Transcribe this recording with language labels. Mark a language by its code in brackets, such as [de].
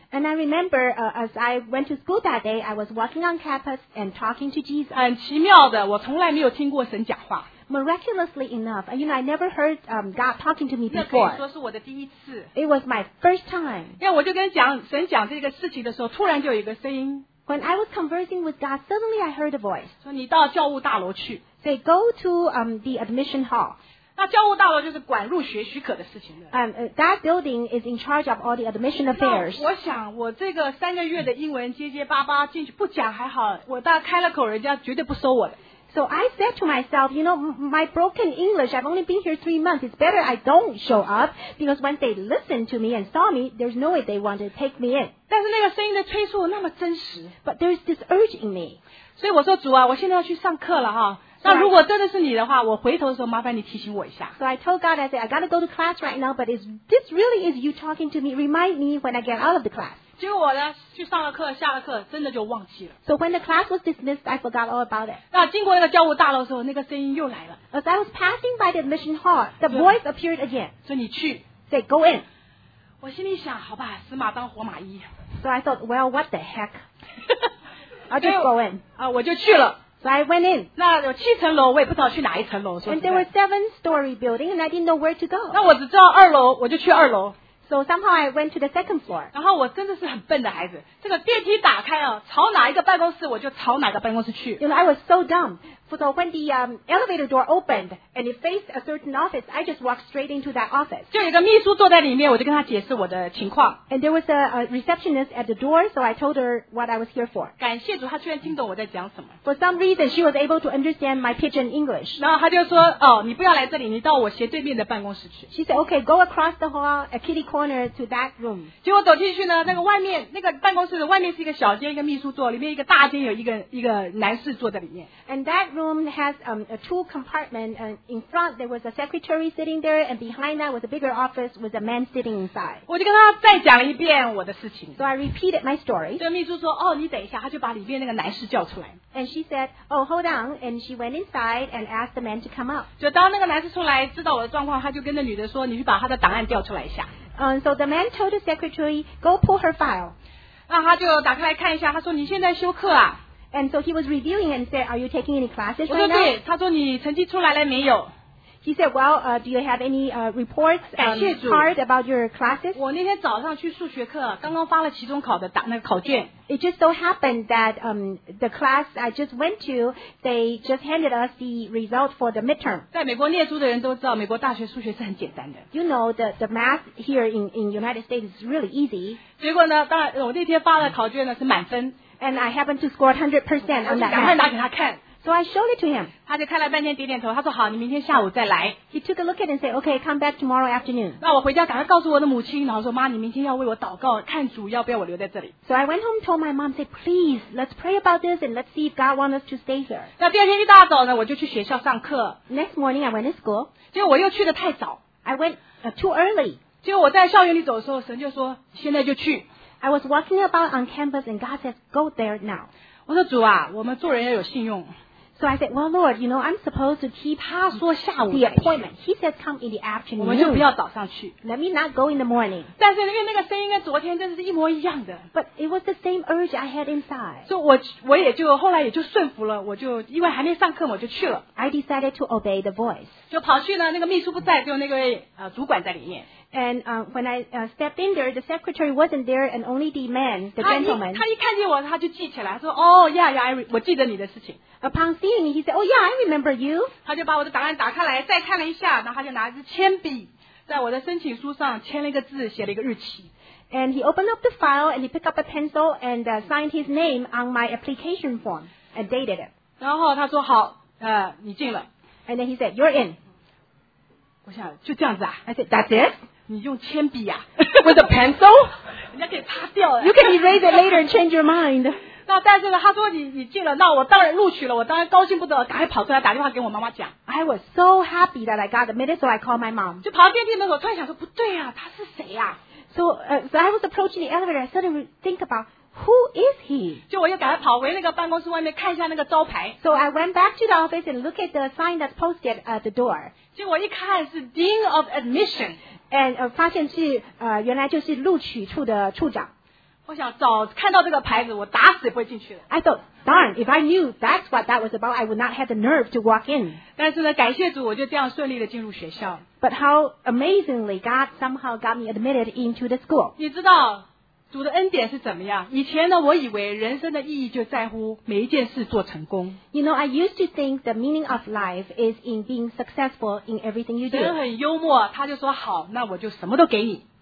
[en] And I remember, as I went to school that day, I was walking on campus and talking to Jesus. [zh] 很奇妙的，我从来没有听过神讲话。 [en] Miraculously enough, you know, I never heard God talking to me before. [zh] 那可以说是我的第一次。 [en] It was my first time. [zh] 因为我就跟神讲这个事情的时候，突然就有一个声音。 [en] When I was conversing with God, suddenly I heard a voice. [zh] 说你到教务大楼去。 [en] Say go to the admission hall. [zh] 那教务大楼就是管入学许可的事情的。 [en] That building is in charge of all the admission affairs. [zh] 我想我这个三个月的英文结结巴巴进去不讲还好，我大开了口，人家绝对不收我的。 [en] So I said to myself, you know, my broken English, I've only been here 3 months. It's better I don't show up because when they listen to me and saw me, there's no way they want to take me in. [zh] 但是那个声音的催促那么真实。 [en] But there's this urge in me. [zh] 所以我说主啊，我现在要去上课了哈。那如果真的是你的话，我回头的时候麻烦你提醒我一下。 [en] So I told God, I said, I gotta go to class right now, but is this really is you talking to me? Remind me when I get out of the class. [zh] 结果我呢，去上了课，下了课，真的就忘记了。 [en] So when the class was dismissed, I forgot all about it. [zh] 那经过那个教务大楼的时候，那个声音又来了。 [en] As I was passing by the admission hall, the voice appeared again. [zh] 说你去。 [en] Say, go in. [zh] 我心里想，好吧，死马当活马医。 [en] So I thought, well, what the heck? I'll just go in. [zh] 我就去了。 [en] So I went in. [zh] 那有七层楼，我也不知道去哪一层楼。 [en] And there were 7-story building, and I didn't know where to go. [zh] 那我只知道二楼，我就去二楼。 [en] So somehow I went to the second floor. [zh] 然后我真的是很笨的孩子，这个电梯打开啊，朝哪一个办公室我就朝哪个办公室去。 [en] You know, I was so dumb. So when the elevator door opened and it faced a certain office, I just walked straight into that office. [zh] 就有个秘书坐在里面，我就跟他解释我的情况。 [en] And there was a receptionist at the door, so I told her what I was here for. [zh] 感谢主，他居然听懂我在讲什么。 [en] For some reason, she was able to understand my pidgin English. [zh] 然后他就说，哦，你不要来这里，你到我斜对面的办公室去。 [en] She said, okay, go across the hall, a kitty corner to that room. [zh] 结果走进去呢，那个外面那个办公室的外面是一个小间，一个秘书坐，里面一个大间，有一个男士坐在里面。 [en] And that room has a two compartment and in front there was a secretary sitting there and behind that was a bigger office with a man sitting inside. [zh] 我就跟他再讲了一遍我的事情。 [en] So I repeated my story. [zh] 对秘书说，哦，你等一下，他就把里面那个男士叫出来。 [en] And she said, oh, hold on. And she went inside and asked the man to come out. [zh] 就当那个男士出来知道我的状况，他就跟那女的说，你去把他的档案调出来一下。 [en] So the man told the secretary, go pull her file. [zh] 那他就打开来看一下，他说你现在休课啊。 [en] And so he was reviewing and said, are you taking any classes right now? [zh] 我说对，他说你成绩出来了没有？ [en] He said, well, do you have any reports card about your classes? [zh] 我那天早上去数学课，刚刚发了期中考的那个考卷。 [en] It just so happened that the class I just went to, they just handed us the result for the midterm. [zh] 在美国念书的人都知道，美国大学数学是很简单的。 [en] You know, the math here in United States is really easy. [zh] 结果呢，当然我那天发的考卷呢是满分。 [en] And I happened to score 100% on that. [zh] 赶快拿给他看。 [en] So I showed it to him. [zh] 他就看了半天，点点头。他说：“好，你明天下午再来。” [en] He took a look at it and said, "Okay, come back tomorrow afternoon." [zh] 那我回家赶快告诉我的母亲，然后说：“妈，你明天要为我祷告，看主要不要我留在这里。” [en] So I went home, told my mom, said, "Please, let's pray about this and let's see if God wants us to stay here." [zh] 那第二天一大早呢，我就去学校上课。 [en] Next morning, I went to school. [zh] 结果我又去的太早。 [en] I went too early. [zh] 结果我在校园里走的时候，神就说：“现在就去。” [en] I was walking about on campus, and God said, "Go there now." [zh] 我说：“主啊，我们做人要有信用。” [en] So I said, "Well, Lord, you know, I'm supposed to keep the appointment." He said, "Come in the afternoon." [zh] 我们就不要早上去。 [en] Let me not go in the morning. [zh] 但是因为那个声音跟昨天真的是一模一样的。 [en] But it was the same urge I had inside. [zh] 所以我也就后来也就顺服了，我就因为还没上课，我就去了。 [en] I decided to obey the voice. [zh] 就跑去呢，那个秘书不在，就那个主管在里面。 [en] And when I stepped in there, the secretary wasn't there, and only the man, the gentleman. [zh] 他一看见我，他就记起来，他说，哦，呀呀，我记得你的事情。 [en] Upon seeing me, he said, oh yeah, I remember you. [zh] 他就把我的档案打开来，再看了一下，然后他就拿着铅笔，在我的申请书上签了一个字，写了一个日期。 [en] And he opened up the file, and he picked up a pencil, and signed his name on my application form, and dated it. [zh] 然后他说，好，你进了。 [en] And then he said, you're in. [zh] 我想，就这样子啊。 [en] I said, that's it? [zh] 你用铅笔啊。 [en] With a pencil? [zh] 人家可以擦掉了。 [en] You can erase it later and change your mind. [zh] 那但是呢他说你进了，那我当然录取了，我当然高兴不得，赶快跑出来打电话给我妈妈讲。 [en] I was so happy that I got admitted, so I called my mom. [zh] 就跑到电梯门口，突然想说不对啊，他是谁啊？ [en] So I was approaching the elevator, I started to think aboutWho is he? [zh] 就我又赶快跑回那个办公室外面看一下那个招牌。 [en] So I went back to the office and looked at the sign that's posted at the door. [zh] 就我一看是 Dean of Admission. And 发现是原来就是录取处的处长。我想早看到这个牌子我打死也不会进去了。 [en] I thought, darn, if I knew that's what that was about, I would not have the nerve to walk in. [zh] 但是呢感谢主我就这样顺利的进入学校。 [en] But how amazingly God somehow got me admitted into the school. [zh] 你知道主的恩典是怎么样？以前呢，我以为人生的意义就在乎每一件事做成功。 [en] You know, I used to think the meaning of life is in being successful in everything you do. [zh] 神很幽默，他就说好，那我就什么都给你。